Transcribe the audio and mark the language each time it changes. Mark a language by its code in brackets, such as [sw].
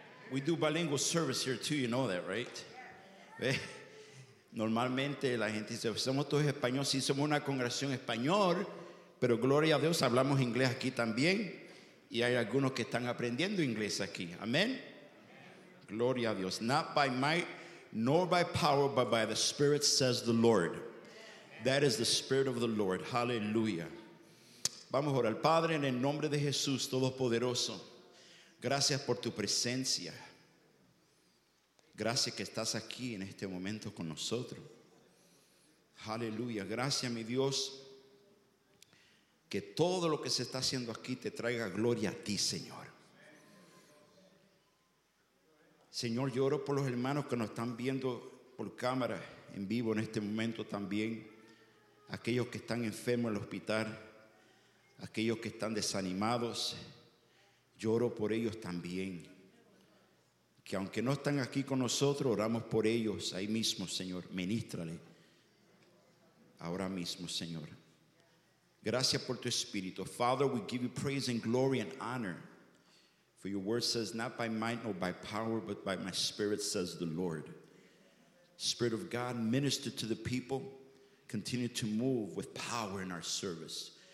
[en] We do bilingual service here too, you know that, right? [es] Normalmente la gente dice, somos todos españoles, sí, somos una congregación español, pero gloria a Dios, hablamos inglés aquí también, y hay algunos que están aprendiendo inglés aquí. Amén. Gloria a Dios. [en] Not by might, nor by power, but by the Spirit, says the Lord. That is the Spirit of the Lord. Hallelujah. [es] Vamos a orar. Padre, en el nombre de Jesús Todopoderoso, gracias por tu presencia. Gracias que estás aquí en este momento con nosotros. Hallelujah. Gracias, mi Dios, que todo lo que se está haciendo aquí te traiga gloria a ti, Señor. Señor, yo oro por los hermanos que nos están viendo por cámara en vivo en este momento también, aquellos que están enfermos en el hospital, aquellos que están desanimados, yo oro por ellos también, que aunque no están aquí con nosotros, oramos por ellos ahí mismo, Señor, ministrale ahora mismo, Señor. Gracias por tu espíritu. [en] Father, we give you praise and glory and honor. For your word says, not by might nor by power, but by my spirit, says the Lord. Spirit of God, minister to the people. Continue to move with power in our service.